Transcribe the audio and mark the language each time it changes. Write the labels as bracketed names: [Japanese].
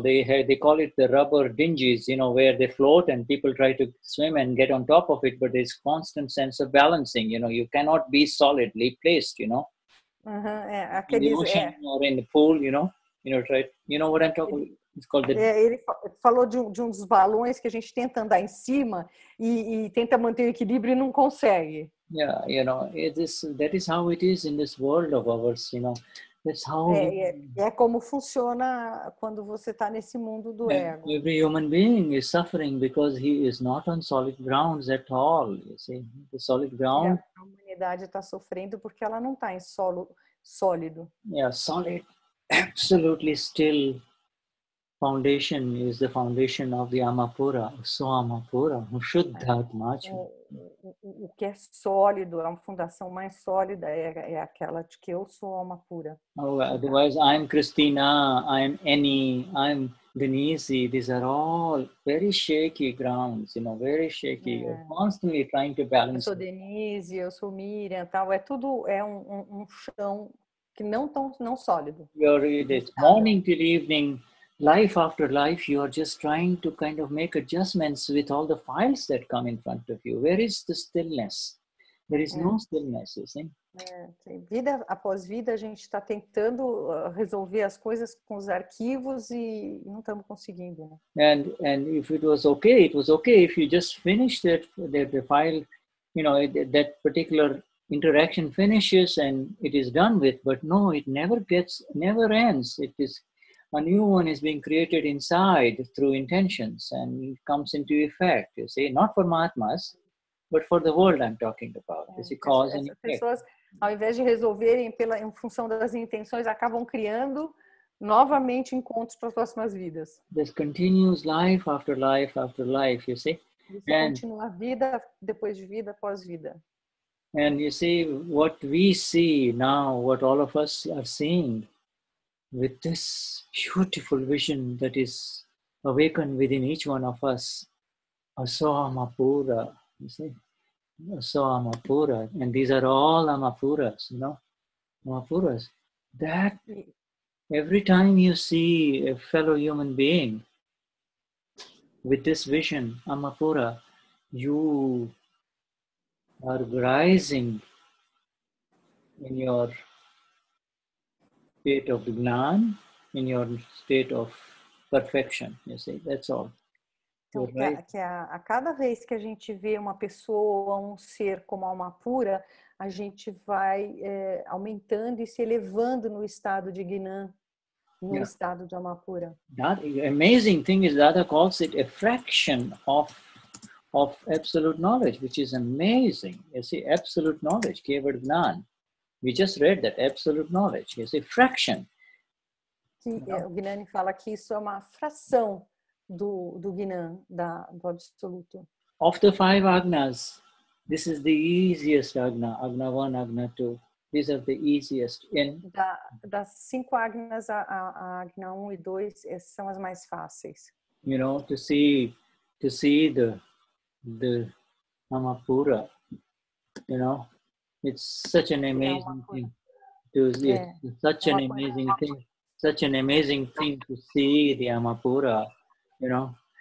[English] They call it the rubber dinghies, you know, where they float and people try to swim and get on top of it, but there's constant sense of balancing, you know, you cannot be solidly placed, you know. [Portuguese] Uhum, aqueles, [English] in the ocean or in the pool, you know, try, you know what I'm talking about? It's called the... [Portuguese] Ele falou de um dos balões que a gente tenta andar em cima e tenta manter o equilíbrio e não consegue. [English] Yeah, you know, that is how it is in this world of ours, you know. That's how [Portuguese] é como funciona quando você está nesse mundo do ego. [English] Every human being is suffering because he is not on solid grounds at all, you see. The solid ground... Yeah. [Portuguese] A humanidade está sofrendo porque ela não está em solo sólido. [English] Yeah, solid, absolutely still foundation is the foundation of the Amapura, so Amapura, Shuddha Atma. [Portuguese] O que é sólido, a fundação mais sólida é aquela de que eu sou alma pura. [English] Oh, otherwise, I'm Christina, I'm Annie, I'm Denise. These are all very shaky grounds, you know, very shaky. Yeah. You're constantly trying to balance. [Portuguese] Eu sou Denise, eu sou Miriam, tal. É tudo, é um chão que não sólido. [English] You're this morning till evening, life after life, you are just trying to kind of make adjustments with all the files that come in front of you. Where is the stillness? There is no stillness, you see? [Portuguese] É, vida após vida, a gente está tentando resolver as coisas com os arquivos e não estamos conseguindo. Né? [English] And if it was okay, it was okay. If you just finished it, the file, you know, that particular interaction finishes and it is done with. But no, it never ends. It is a new one is being created inside through intentions and it comes into effect, you see. Not for Mahatmas, but for the world I'm talking about. It's a cause and effect. [Portuguese] Ao invés de resolverem em função das intenções, acabam criando novamente encontros para as próximas vidas. [English] This continues life after life after life, you see? [Portuguese] Isso continua vida depois de vida após vida. [English] And you see, what we see now, what all of us are seeing, with this beautiful vision that is awakened within each one of us, Aso Amapura, you see? So Amapura, and these are all Amapuras, you know, Amapuras, that every time you see a fellow human being with this vision, Amapura, you are rising in your state of gnan, in your state of perfection, you see, that's all. [Portuguese] Que a cada vez que a gente vê uma pessoa, um ser como alma pura, a gente vai aumentando e se elevando no estado de Gnan, no estado de alma pura. [English] That amazing thing is Dada calls it a fraction of of absolute knowledge, which is amazing. You see, absolute knowledge, Keval Gnan. We just read that absolute knowledge. You see, fraction. [Portuguese] O Gnani fala que isso é uma fração do, do Gnan, da, do absoluto. [English] Of the five Agnas, this is the easiest Agna, Agna 1, Agna 2. These are the easiest. In... [Portuguese] Da, das cinco Agnas, a Agna 1 e 2 são as mais fáceis. [English] You know, to see the Namapura, you know, it's such an amazing thing. To see, it's such an amazing thing. Such an amazing thing to see the Amapura, you know.